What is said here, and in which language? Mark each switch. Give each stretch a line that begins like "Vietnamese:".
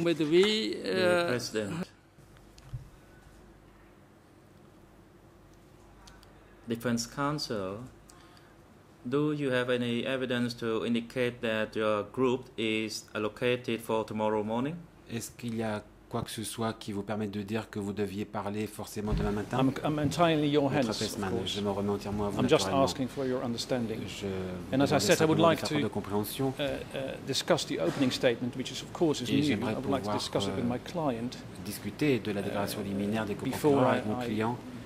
English: President, Defense Counsel, do you have any evidence to indicate that your group is allocated for tomorrow morning?
French: Est-ce qu'il y a quoi que ce soit qui vous permette de dire que vous deviez parler forcément demain matin?
English: I'm entirely your hands. Of course.
French: Je me remets entièrement à vous.
English: I'm just asking for your understanding. And as I said, I would like to discuss the opening statement, which is of course is new. I would like to discuss it with my client.
French: Discuter de la déclaration liminaire des co-procureurs avec mon client.